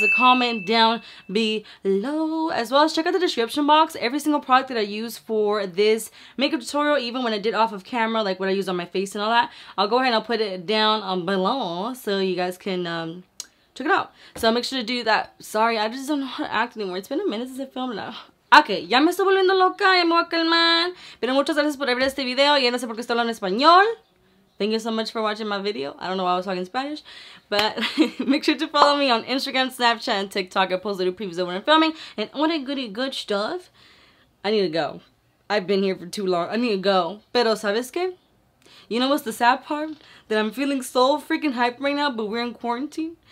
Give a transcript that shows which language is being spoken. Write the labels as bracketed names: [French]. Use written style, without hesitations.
[English] So comment down below. As well as check out the description box. Every single product that I use for this makeup tutorial, even when I did off of camera, like what I use on my face and all that, I'll go ahead and I'll put it down below so you guys can check it out. So make sure to do that. Sorry, I just don't know how to act anymore. It's been a minute since I filmed now. [Spanish] Okay, ya me estoy volviendo loca, ya me voy a calmar. Pero muchas gracias por ver este video. Ya no sé por qué estoy hablando en español. [English] Thank you so much for watching my video. I don't know why I was talking Spanish. But make sure to follow me on Instagram, Snapchat, and TikTok. I post little previews of when I'm filming. And all that goody good stuff. I need to go. I've been here for too long. I need to go. [Spanish] Pero, ¿sabes qué? [English] You know what's the sad part? That I'm feeling so freaking hyped right now, but we're in quarantine.